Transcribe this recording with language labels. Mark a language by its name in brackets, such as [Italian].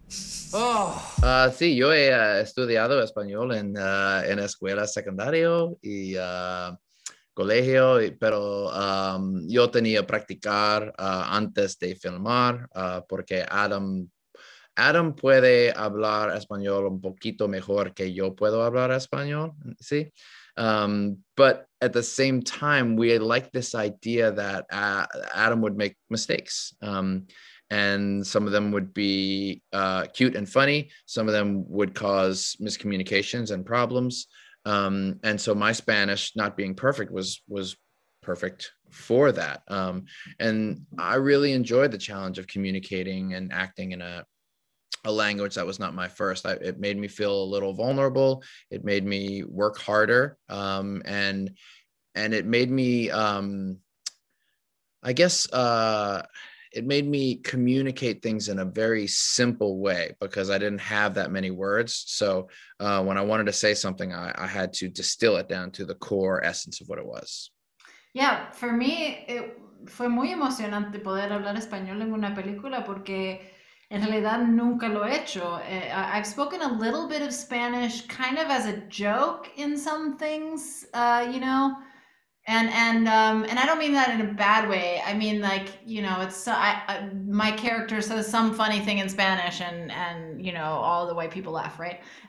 [Spanish] Sí, yo he estudiado español en escuela secundario y colegio, pero yo tenía que practicar antes de filmar porque Adam puede hablar español un poquito mejor que yo puedo hablar español, sí. [English] But at the same time, we like this idea that Adam would make mistakes. And some of them would be cute and funny. Some of them would cause miscommunications and problems. And so my Spanish, not being perfect, was perfect for that. And I really enjoyed the challenge of communicating and acting in a language that was not my first. It made me feel a little vulnerable. It made me work harder. And it made me, I guess, it made me communicate things in a very simple way because I didn't have that many words. So when I wanted to say something, I had to distill it down to the core essence of what it was. Yeah, for me it [Spanish] fue muy emocionante poder hablar español en una película porque en realidad nunca lo he hecho. [English] I've spoken a little bit of Spanish kind of as a joke in some things, and I don't mean that in a bad way. I mean like, it's I my character says some funny thing in Spanish and all the white people laugh, right?